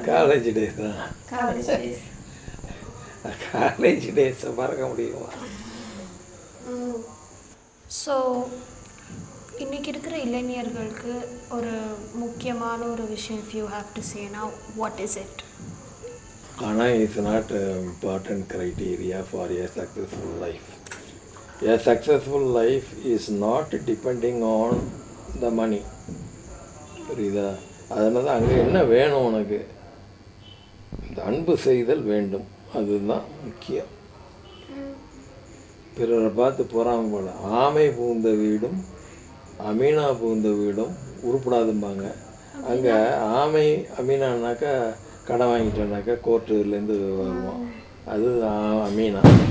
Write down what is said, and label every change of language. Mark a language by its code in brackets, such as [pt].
[ta] College days தான். College days. College days மறக்க முடியுமா? சோ இன்னைக்கு இருக்கிற இளைஞர்களுக்கு ஒரு முக்கியமான ஒரு விஷயம் [en] If you have to say now what is it? Money is not an important criteria for a successful life. A successful life is not depending on the money. [ta] புரியுதா? அதனால் அங்கே என்ன வேணும் உனக்கு? இந்த அன்பு செய்தல் வேண்டும், அதுதான் முக்கியம். பிறரை பார்த்து போகாமல் போல ஆமை பூந்த வீடும் அமீனா பூந்த வீடும் உருப்படாதும்பாங்க. அங்கே ஆமை அமீனானாக்கா கடன் வாங்கிட்டோம்னாக்கா கோர்ட்டுலேருந்து வருவோம், அது அமீனா.